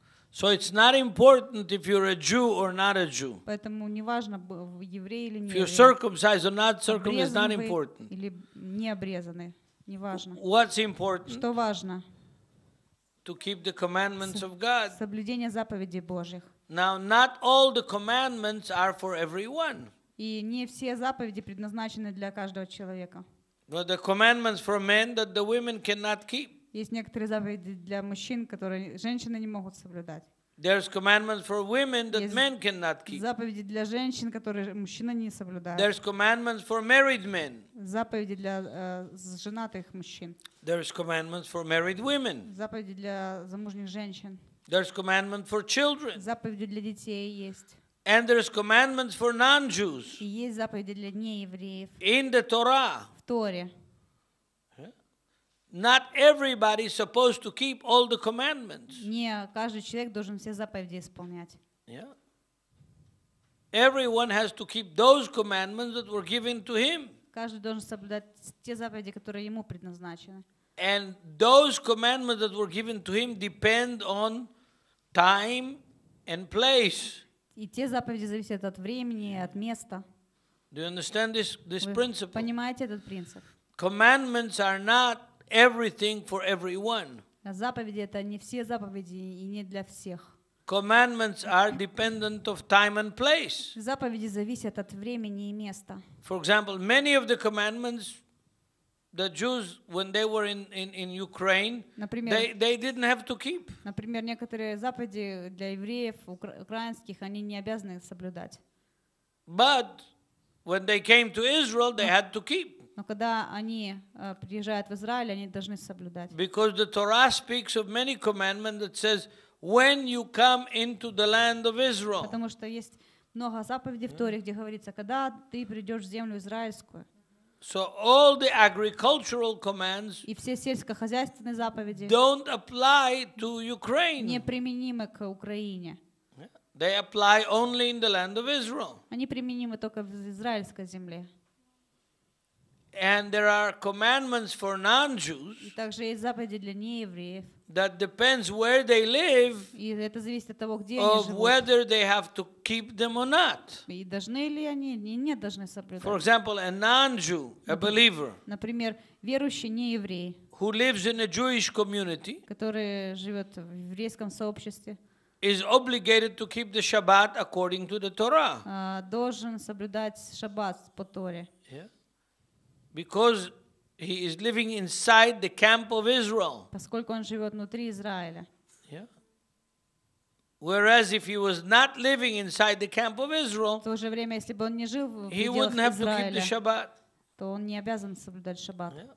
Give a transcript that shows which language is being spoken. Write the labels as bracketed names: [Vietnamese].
[English] So it's not important if you're a Jew or not a Jew. [Russian] Поэтому не важно, еврей или не. [English] If you're circumcised or not circumcised, it's not important. [Russian] Или не обрезаны, не важно. [English] What's important? [Russian] Что важно? [English] To keep the commandments of God. [Russian] Соблюдение заповедей Божьих. [English] Now, not all the commandments are for everyone. [Russian] И не все заповеди предназначены для каждого человека. [English] But the commandments for men that the women cannot keep. [Russian] Есть некоторые заповеди для мужчин, которые женщины не могут соблюдать. [English] There's commandments for women that men cannot keep. [Russian] Заповеди для женщин, которые мужчина не соблюдает. [English] There's commandments for married men. [Russian] Заповеди для женатых мужчин. [English] There's commandments for married women. [Russian] Заповеди для замужних женщин. [English] There's commandment for children. [Russian] Заповеди для детей есть. [English] And there's commandments for non-Jews. [Russian] И есть заповеди для неевреев. [English] In the Torah. [Russian] В Торе. [English] Not everybody is supposed to keep all the commandments. [Russian] Не каждый человек должен все заповеди исполнять. [English] Yeah. Everyone has to keep those commandments that were given to him. [Russian] Каждый должен соблюдать те заповеди, которые ему предназначены. [English] And those commandments that were given to him depend on time and place. [Russian] И те заповеди зависят от времени, от места. [English] Do you understand this principle? [Russian] Понимаете этот принцип? [English] Commandments are not everything for everyone. [Russian] Заповеди — это не все заповеди и не для всех. [English] Commandments are dependent of time and place. [Russian] Заповеди зависят от времени и места. [English] For example, many of the commandments the Jews, when they were in Ukraine, [Russian] например, [English] they didn't have to keep. [Russian] Например, некоторые заповеди для евреев украинских они не обязаны соблюдать. [English] But when they came to Israel, they had to keep. [Russian] Но когда они приезжают в Израиль, они должны соблюдать. [English] Because the Torah speaks of many commandments that says, when you come into the land of Israel. [Russian] Потому что есть много заповедей в Торе, где говорится, когда ты придешь в землю израильскую. [English] So all the agricultural commands [Russian] и все сельскохозяйственные заповеди [English] don't apply to Ukraine. [Russian] Неприменимы к Украине. [English] They apply only in the land of Israel. [Russian] Они применимы только в израильской земле. [English] And there are commandments for non-Jews. [Russian] И также есть заповеди для неевреев. [English] That depends where they live. [Russian] И это зависит от того, где они живут. [English] Whether they have to keep them or not. [Russian] И должны ли они, не должны соблюдать. [English] For example, a non-Jew, a believer. [Russian] Например, верующий нееврей. [English] Who lives in a Jewish community. [Russian] Который живет в еврейском сообществе. [English] Is obligated to keep the Shabbat according to the Torah. [Russian] Должен соблюдать Шаббат по Торе. [English] Because he is living inside the camp of Israel. [Russian] Поскольку он живет внутри Израиля. [English] Whereas if he was not living inside the camp of Israel, [Russian] в то же время, если бы он не жил в пределах Израиля, [English] he wouldn't have to keep the Shabbat. [Russian] То он не обязан соблюдать Шаббат.